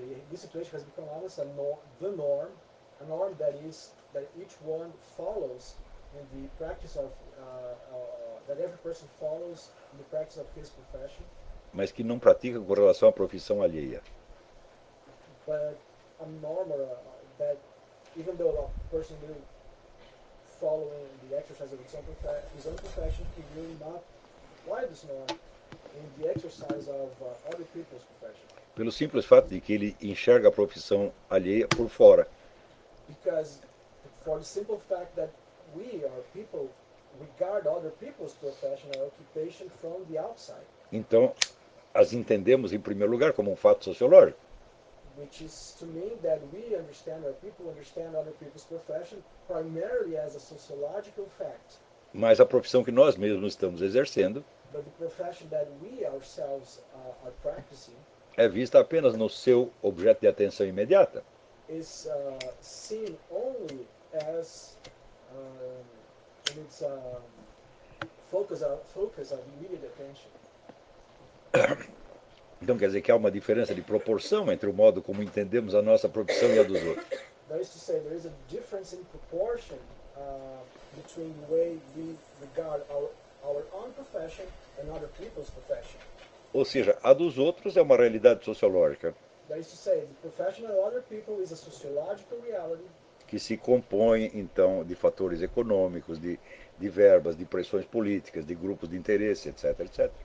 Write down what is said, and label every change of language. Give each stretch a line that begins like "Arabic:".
English: discipline has become almost a norm, a norm that is that each one follows in the practice of that every person follows in the practice of his profession.
Portuguese: Mas que não pratica com relação à profissão alheia.
English: But a norm or that even though a person will follow in the exercise of his own profession, he will not apply this norm in the exercise of other people's profession.
Portuguese: Pelo simples fato de que ele enxerga a profissão alheia por fora.
English: Because for the simple fact that we are people regard other people's profession or occupation from the outside.
Portuguese: Então, as entendemos em primeiro lugar como um fato sociológico.
English: Which is to mean that we understand or people understand other people's profession primarily as a sociological fact.
Portuguese: Mas a profissão que nós mesmos estamos exercendo,
English: but the profession that we ourselves are practicing,
Portuguese: é vista apenas no seu objeto de atenção imediata.
English: Is seen only as in its focus of immediate attention.
Portuguese: Então quer dizer que há uma diferença de proporção entre o modo como entendemos a nossa profissão e a dos outros.
English: That is to say, there is a difference in proportion between the way we regard our own profession and other people's profession.
Portuguese: Ou seja, a dos outros é uma realidade sociológica.
English: That is to say, the profession of other people is a sociological reality.
Portuguese: Que se compõe então de fatores econômicos, de verbas, de pressões políticas, de grupos de interesse, etc, etc.